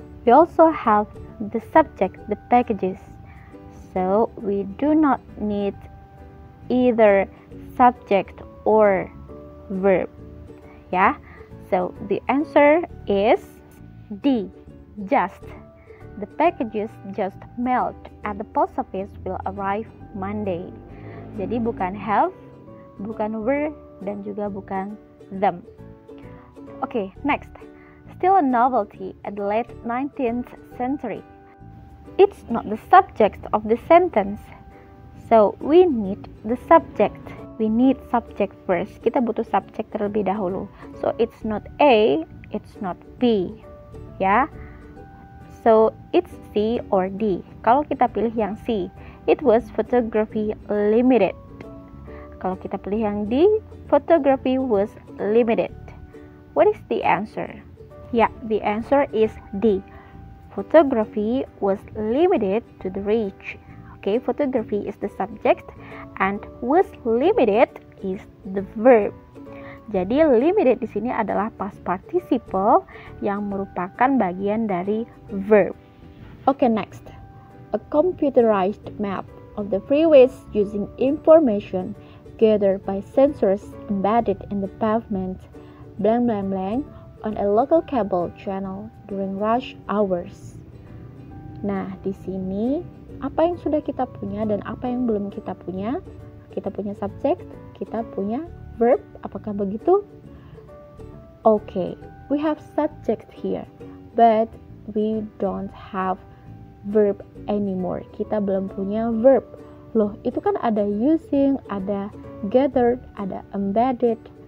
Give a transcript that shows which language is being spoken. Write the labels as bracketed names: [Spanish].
[English] We also have the subject, the packages. So we do not need either subject or verb. Yeah? So the answer is D, just. The packages just mailed at the post office will arrive Monday. [Indonesian] Jadi bukan have, bukan were, dan juga bukan them. [English] Okay, next. Still a novelty at the late 19th century. It's not the subject of the sentence. So we need the subject. We need subject first. [Indonesian] Kita butuh subject terlebih dahulu. [English] So it's not A, it's not B. Yeah? So it's C or D. [Indonesian] Kalau kita pilih yang C, [English] it was photography limited. [Indonesian] Kalau kita pilih yang D, [English] photography was limited. What is the answer? Yeah, the answer is D. Photography was limited to the rich. Okay, photography is the subject and was limited is the verb. [Indonesian] Jadi limited di sini adalah past participle yang merupakan bagian dari verb. [English] Okay, next. A computerized map of the freeways using information gathered by sensors embedded in the pavement blank blank blank on a local cable channel during rush hours. [Indonesian] Nah, di sini apa yang sudah kita punya dan apa yang belum kita punya? Kita punya subject, kita punya verb, apakah begitu? [English] Okay, we have subject here, but we don't have verb anymore. [Indonesian] Kita belum punya verb. Loh, itu kan ada using, ada gathered, ada embedded.